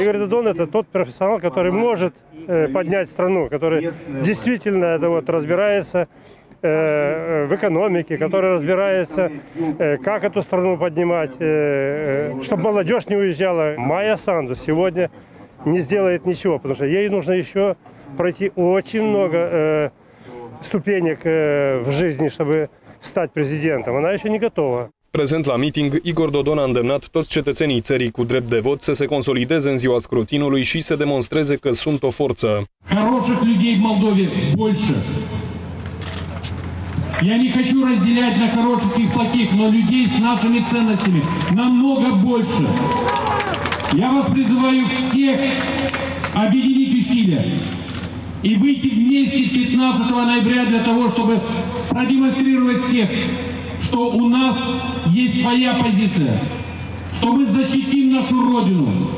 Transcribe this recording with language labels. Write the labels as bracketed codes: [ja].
[ru] Игорь Додон – это тот профессионал, который может поднять страну, который действительно это вот разбирается в экономике, который разбирается, как эту страну поднимать, чтобы молодежь не уезжала. Майя Санду сегодня не сделает ничего, потому что ей нужно еще пройти очень много ступенек в жизни, чтобы стать президентом. Она еще не готова. [ro] Prezent la meeting, Igor Dodon a îndemnat toți cetățenii țării cu drept de vot să se consolideze în ziua scrutinului și să demonstreze că sunt o forță. [ru] Хороших людей в Молдове больше. Я не хочу разделять на хороших и плохих, но людей с нашими ценностями намного больше. Я вас призываю всех объединить усилия и выйти вместе 15 ноября для того, чтобы продемонстрировать всех, что у нас есть своя позиция, что мы защитим нашу Родину.